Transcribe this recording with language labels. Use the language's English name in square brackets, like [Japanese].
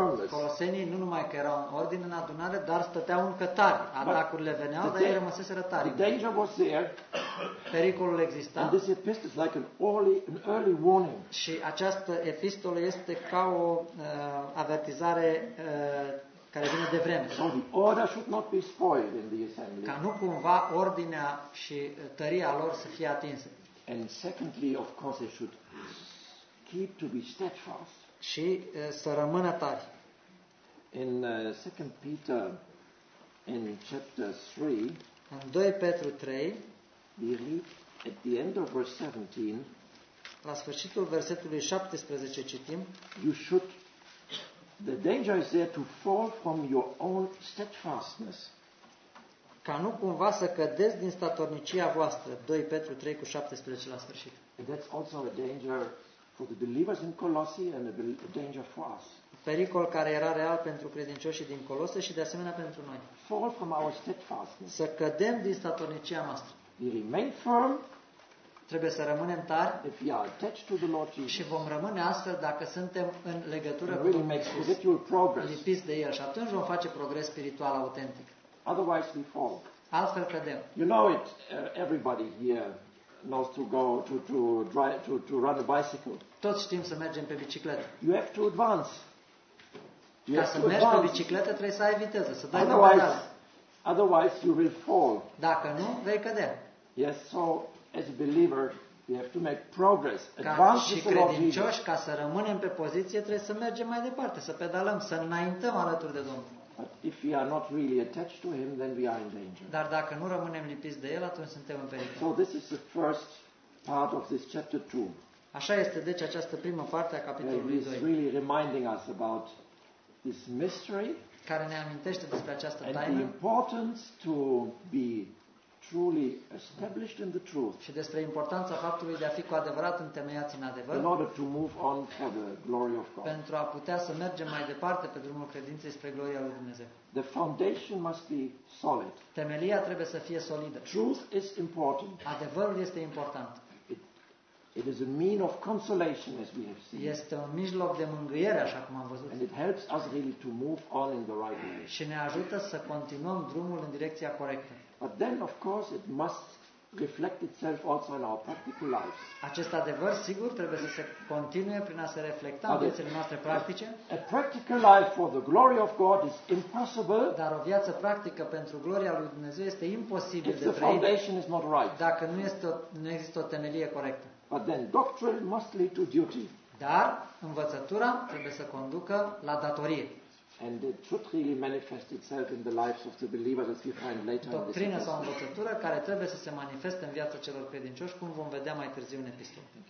[Romanian] Colosenii nu numai că erau în ordine în adunare, dar stăteau încă tari. Atacurile veneau, dar ei rămăseseră tari. [English] The danger was there. [Romanian] Pericolul exista. [English] And this epistle is like an early warning. [Romanian] Și această epistolă este ca o avertizare care vine de vreme. [English] So the order should not be spoiled in the assembly. [Romanian] Ca nu cumva ordinea și tăria lor să fie atinsă. [English] And secondly, of course, they should keep to be steadfast. [Romanian] Și să rămână tari. [English] In 2 Peter in chapter 3, [Romanian] în 2 Petru 3, [English] we read at the end of verse 17, [Romanian] la sfârșitul versetului 17 citim, [English] you should, the danger is there to fall from your own steadfastness. [Romanian] Ca nu cumva să cădeți din statornicia voastră. 2 Petru 3 cu 17 la sfârșit. [English] And that's also a danger for the believers in Colossae and a danger for us. [Romanian] Pericol care era real pentru credincioșii din Colosă și de asemenea pentru noi. [English] Fall from our steadfastness. [Romanian] Să cădem din statornicia noastră. [English] We remain firm. [Romanian] Trebuie să rămânem tari. [English] If we are attached to the Lord Jesus. [Romanian] Și vom rămâne astfel dacă suntem în legătură cu Domnul Iisus. Lipiți de El și atunci vom face progres spiritual autentic. [English] Otherwise we fall. [Romanian] Altfel cădem. [English] You know it, everybody here knows to go to drive to run a bicycle. [Romanian] Toți știm să mergem pe bicicletă. [English] You have to advance. [Romanian] You ca să mergi advance. Pe bicicletă trebuie să ai viteză, să dai [English] otherwise you will fall. [Romanian] Dacă nu, vei cădea. [English] Yes, so as a believer, we have to make progress. [Romanian] Advance și credincioși, ca să rămânem pe poziție, trebuie să mergem mai departe, să pedalăm, să înaintăm alături de Domnul. [English] But if we are not really attached to him, then we are in danger. [Romanian] Dar dacă nu rămânem lipiți de el, atunci suntem în pericol. [English] So this is the first part of this chapter 2. [Romanian] Așa este deci această primă parte a capitolului 2. [English] It is really reminding us about this mystery. [Romanian] Care ne amintește despre această taină. [English] And the importance to be truly established in the truth. [Romanian] Și despre importanța faptului de a fi cu adevărat întemeiați în adevăr. [English] In order to move on for the glory of God. [Romanian] Pentru a putea să mergem mai departe pe drumul credinței spre gloria lui Dumnezeu. [English] The foundation must be solid. [Romanian] Temelia trebuie să fie solidă. [English] Truth is important. [Romanian] Adevărul este important. [English] It is a mean of consolation as we have seen. [Romanian] Este un mijloc de mângâiere așa cum am văzut. [English] And it helps us really to move on in the right direction. [Romanian] Și ne ajută să continuăm drumul în direcția corectă. [English] But then of course it must reflect itself also in our practical lives. [Romanian] Acest adevăr sigur trebuie să se continue prin a se reflecta în viețile noastre practice. [English] A practical life for the glory of God is impossible. [Romanian] Dar o viață practică pentru gloria lui Dumnezeu este imposibil de trăit. [English] If the foundation is not right. [Romanian] Dacă nu există o temelie corectă. [English] But then doctrine must lead to duty. [Romanian] Dar învățătura trebuie să conducă la datorie. [English] And it should really manifest itself in the lives of the believers as we find later. [Romanian] Doctrina sau învățătura care trebuie să se manifeste în viața celor credincioși, cum vom vedea mai târziu în epistolă.